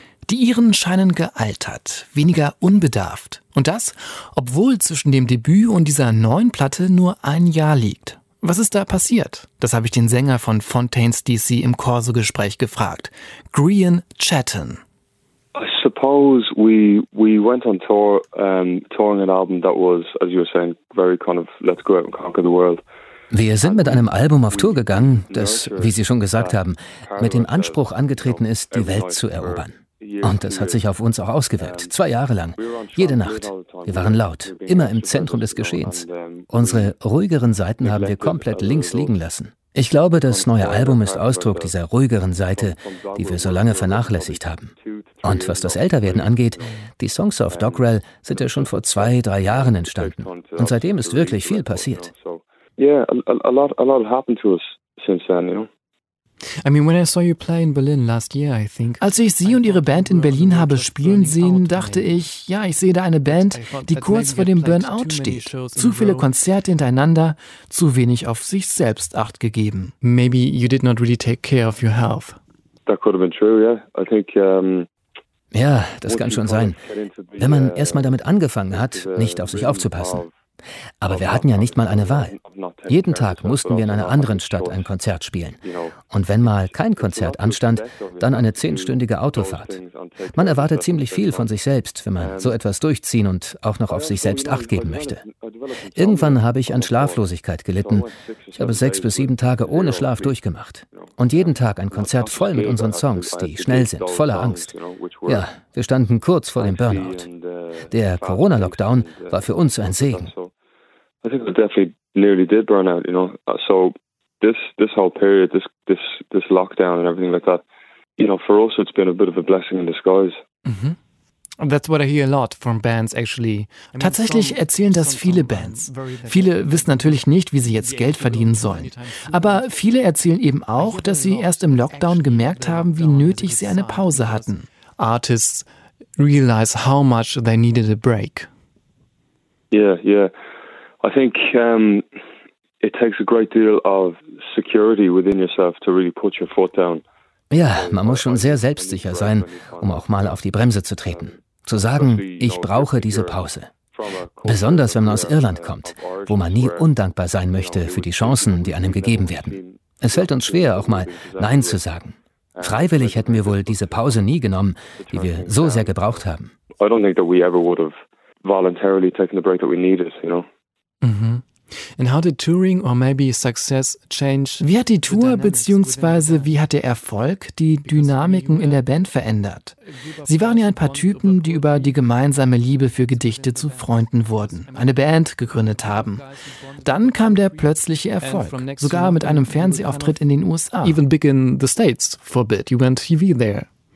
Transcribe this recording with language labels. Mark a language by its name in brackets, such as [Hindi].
[German] Die Iren scheinen gealtert, weniger unbedarft. Und das, obwohl zwischen dem Debüt und dieser neuen Platte nur ein Jahr liegt. Was ist da passiert? Das habe ich den Sänger von Fontaines DC im Corso-Gespräch gefragt, Grian Chatton. [English] I suppose we went on tour, touring an album that was, as you were saying, very kind of let's go out and conquer the world. [German] Wir sind mit einem Album auf Tour gegangen, das, wie Sie schon gesagt haben, mit dem Anspruch angetreten ist, die Welt zu erobern. Und das hat sich auf uns auch ausgewirkt, 2 Jahre lang, jede Nacht. Wir waren laut, immer im Zentrum des Geschehens. Unsere ruhigeren Seiten haben wir komplett links liegen lassen. Ich glaube, das neue Album ist Ausdruck dieser ruhigeren Seite, die wir so lange vernachlässigt haben. Und was das Älterwerden angeht, die Songs auf Dockrell sind ja schon vor 2-3 Jahren entstanden. Und seitdem ist wirklich viel passiert. [English] Yeah, a lot happened to us since then, you know. I mean, when I saw you play in Berlin last year, I think. [German] Als ich Sie und Ihre Band in Berlin habe spielen sehen, dachte ich, ja, ich sehe da eine Band, die kurz vor dem Burnout steht. Zu viele Konzerte hintereinander, zu wenig auf sich selbst Acht gegeben. [English] Maybe you did not really take care of your health. That could have been true, yeah. I think. [German] Ja, das kann schon sein. Wenn man erstmal damit angefangen hat, nicht auf sich aufzupassen. Aber wir hatten ja nicht mal eine Wahl. Jeden Tag mussten wir in einer anderen Stadt ein Konzert spielen. Und wenn mal kein Konzert anstand, dann eine 10-stündige Autofahrt. Man erwartet ziemlich viel von sich selbst, wenn man so etwas durchziehen und auch noch auf sich selbst Acht geben möchte. Irgendwann habe ich an Schlaflosigkeit gelitten. Ich habe 6 bis 7 Tage ohne Schlaf durchgemacht. Und jeden Tag ein Konzert voll mit unseren Songs, die schnell sind, voller Angst. Ja, wir standen kurz vor dem Burnout. Der Corona-Lockdown war für uns ein Segen. [English] I think we definitely nearly did burn out, you know. So this whole period, this lockdown and everything like that, you know, for us it's been a bit of a blessing in disguise. Mm-hmm. That's what I hear a lot from bands, actually. [German] Tatsächlich erzählen das viele Bands. Viele wissen natürlich nicht, wie sie jetzt Geld verdienen sollen. Aber viele erzählen eben auch, dass sie erst im Lockdown gemerkt haben, wie nötig sie eine Pause hatten. [English] Artists realize how much they needed a break. Yeah, yeah. I think it takes a great deal of security within yourself to really put your foot down. [German] Ja, man muss schon sehr selbstsicher sein, um auch mal auf die Bremse zu treten. Zu sagen, ich brauche diese Pause. Besonders wenn man aus Irland kommt, wo man nie undankbar sein möchte für die Chancen, die einem gegeben werden. Es fällt uns schwer, auch mal Nein zu sagen. Freiwillig hätten wir wohl diese Pause nie genommen, die wir so sehr gebraucht haben. [English] I don't think that we ever would have voluntarily taken the break that we needed, you know. Mm-hmm. And how did touring or maybe success change? [German] Wie hat die Tour bzw. wie hat der Erfolg die Dynamiken in der Band verändert? Sie waren ja ein paar Typen, die über die gemeinsame Liebe für Gedichte zu Freunden wurden, eine Band gegründet haben. Dann kam der plötzliche Erfolg, sogar mit einem Fernsehauftritt in den USA. [English] Even big in the States for a bit. You went TV there.